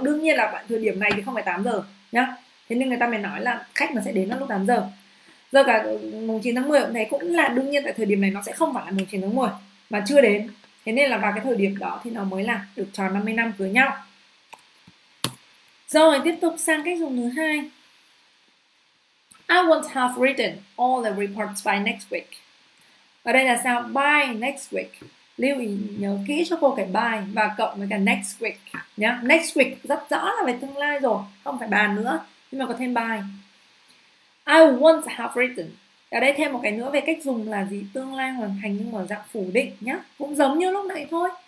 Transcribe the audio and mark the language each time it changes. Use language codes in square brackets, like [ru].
[vi] Đương nhiên là bạn thời điểm này thì không phải 8 giờ nhá. Thế nên người ta mới nói là khách nó sẽ đến vào lúc 8 giờ. Giờ cả 9 tháng 10 cũng thế, cũng là đương nhiên tại thời điểm này nó sẽ không phải là 9 tháng 10 mà chưa đến. Thế nên là vào cái thời điểm đó thì nó mới là được tròn 50 năm cưới nhau. Rồi tiếp tục sang cách dùng thứ hai. [en] I won't have written all the reports by next week. [vi] Ở đây là sao? [en] By next week. [vi] Lưu ý nhớ kỹ cho cô cái by và cộng với cả next week nhá. Next week rất rõ là về tương lai rồi, không phải bàn nữa, nhưng mà có thêm by. [en] I won't have written. [vi] Ở đây thêm một cái nữa về cách dùng là gì? Tương lai hoàn thành nhưng mà dạng phủ định nhá. Cũng giống như lúc nãy thôi.